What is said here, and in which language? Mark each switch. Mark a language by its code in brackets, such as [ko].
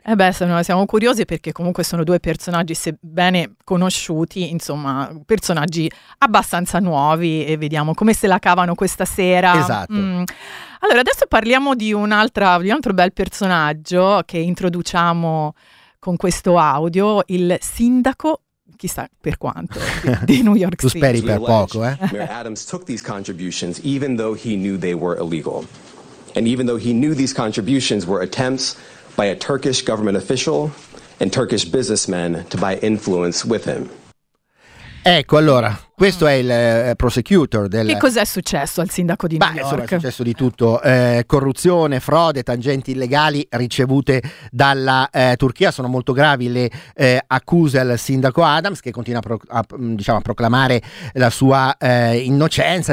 [it] Eh beh, siamo curiosi, perché comunque sono due personaggi, sebbene conosciuti, insomma, personaggi abbastanza nuovi, e vediamo come se la cavano questa sera. Esatto. Allora, adesso parliamo di un altro bel personaggio che introduciamo con questo audio, il sindaco, chissà per quanto, di New York City. Tu speri per poco, eh? [en] Mayor Adams took these contributions even though he knew they were illegal. And even though he knew these contributions were attempts by a Turkish government official and Turkish businessmen to buy influence with him. [it] Ecco, allora, questo è il prosecutor del... Che cos'è successo al sindaco di New York? Beh, è successo di tutto. Corruzione, frode, tangenti illegali ricevute dalla Turchia. Sono molto gravi le accuse al sindaco Adams, che continua a proclamare la sua innocenza.